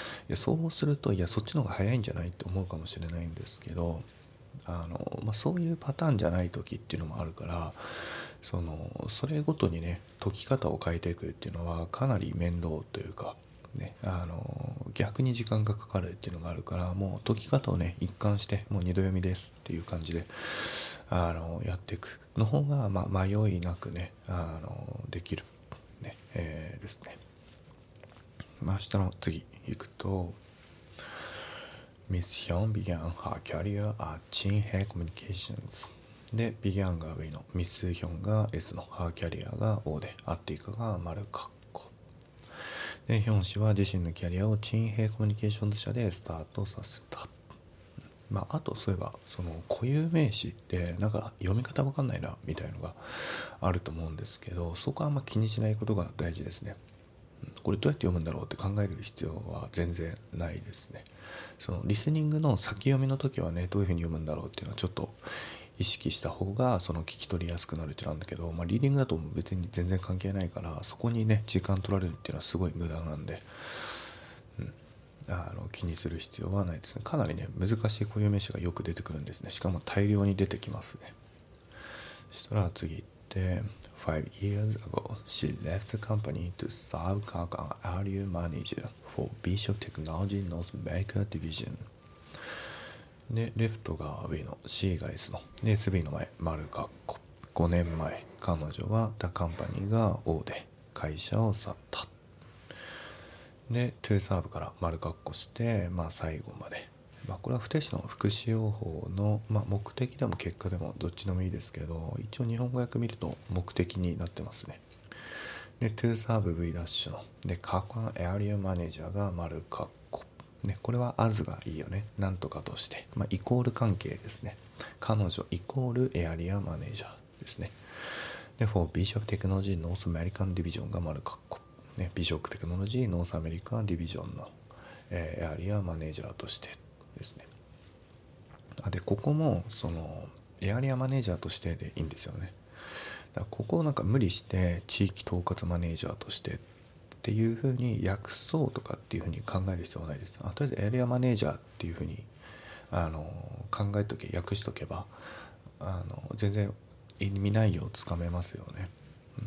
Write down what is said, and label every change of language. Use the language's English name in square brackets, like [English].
[Japanese] いやそうすると、いやそっちの方が早いんじゃないって思うかもしれないんですけど、まあそういうパターンじゃない時っていうのもあるから、それごとにね解き方を変えていくっていうのはかなり面倒というか、ね、逆に時間がかかるっていうのがあるから、もう解き方をね一貫してもう二度読みですっていう感じでやっていくの方が、まあ、迷いなくねできる、ねですね。まあ明日の次行くと、 [English] Ms. Hyun began her career at Jin Hee Communications。 [Japanese] で、ビギャンが V の、ミスヒョンが S の、ハーキャリアが O で、アッティカが丸カッコ。で、ヒョン氏は自身のキャリアをチンヘイコミュニケーションズ社でスタートさせた。まあ、あと、そういえば、その固有名詞って、なんか読み方わかんないな、みたいのがあると思うんですけど、そこはあんま気にしないことが大事ですね。これどうやって読むんだろうって考える必要は全然ないですね。そのリスニングの先読みの時はね、どういうふうに読むんだろうっていうのはちょっと意識した方がその聞き取りやすくなるってなんだけど、まあ、リーディングだと別に全然関係ないから、そこにね時間取られるっていうのはすごい無駄なんで、うん、気にする必要はないですね。かなりね難しい固有名詞がよく出てくるんですね。しかも大量に出てきますね。そしたら次行って、 [English] 5 years ago she left the company to serve as an area manager for Bishop Technology North America Division。 [Japanese] で、レフトが V の、C が S の、で、SB の前、丸括弧。 5年前、彼女は、The Company が O で、会社を去った。で、To Serve から丸括弧して、まあ、最後まで。まあ、これは不定詞の副使用法の、まあ、目的でも結果でもどっちでもいいですけど、一応日本語訳見ると目的になってますね。で、To Serve V' の、で、カッコン Area Manager が丸括弧。ね、これはアズがいいよね。なんとかとして、まあ、イコール関係ですね。彼女イコールエアリアマネージャーですね。 [English] で、for Bishop Technology North American Division [Japanese] が丸括弧。ね、Bishop Technology North American Division の、エアリアマネージャーとしてですね。あ、で、ここも、その、エアリアマネージャーとしてでいいんですよね。だからここをなんか無理して、地域統括マネージャーとしてっていう風に訳そうとかっていう風に考える必要はないです。あ、とりあえずエリアマネージャーっていう風に考えとけ、訳しとけば全然意味内容をつかめますよね。うん、